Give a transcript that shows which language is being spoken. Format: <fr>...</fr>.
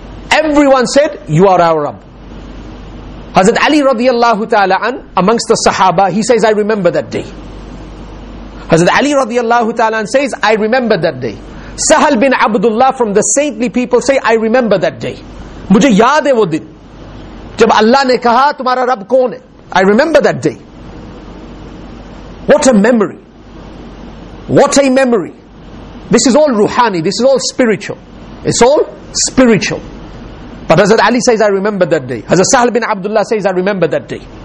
<en>Everyone said, you are our Rabb. Hazrat Ali radiallahu ta'ala an, amongst the Sahaba, he says, I remember that day. Hazrat Ali radiallahu ta'ala an says, I remember that day. Sahal bin Abdullah from the saintly people say, I remember that day.</en> <ur>مجھے یاد ہے وہ دن۔ جب اللہ نے کہا، تمہارا رب کون؟</ur> <en>I remember that day. What a memory. What a memory. This is all ruhani, this is all spiritual. It's all spiritual. But Hazrat Ali says, I remember that day. Hazrat Sahal bin Abdullah says, I remember that day.</en>